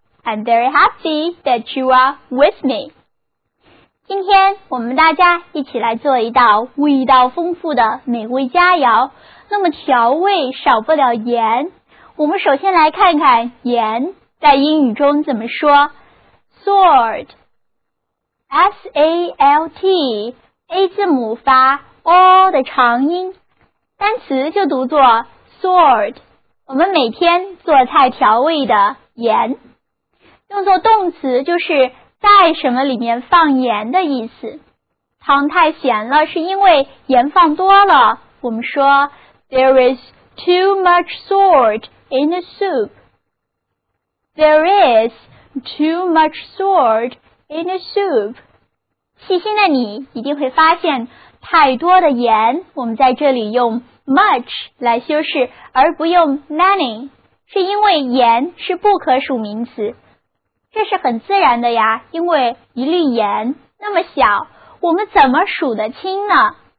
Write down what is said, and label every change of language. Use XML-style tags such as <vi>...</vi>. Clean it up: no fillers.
<en>I'm very happy that you are with me.</en> <zh>今天我们大家一起来做一道味道丰富的美味佳肴，那么调味少不了盐。我们首先来看看盐在英语中怎么说。 Salt, S-A-L-T, A 字母发 O 的长音，单词就读作 salt。我们每天做菜调味的盐，用作动词就是在什么里面放盐的意思。汤太咸了是因为盐放多了，我们说</zh> <en>There is too much salt in the soup. There is too much salt in the soup.</en> <zh>细心的你一定会发现，太多的盐我们在这里用much 来修饰而不用 many， 是因为盐是不可数名词，这是很自然的呀，因为一粒盐那么小，我们怎么数得清呢？</zh>